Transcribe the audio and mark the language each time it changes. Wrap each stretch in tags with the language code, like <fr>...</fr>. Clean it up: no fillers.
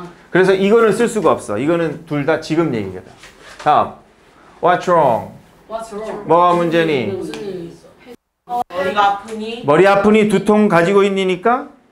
<ko>그래서 이거는 쓸 수가 없어. 이거는 둘 다 지금 얘기거든. 다음,</ko> <en>what's wrong? What's wrong?</en> <ko>뭐가 문제니? 무슨 일이 있어? 머리가 아프니? 머리 아프니 두통 가지고 있니니까?</ko>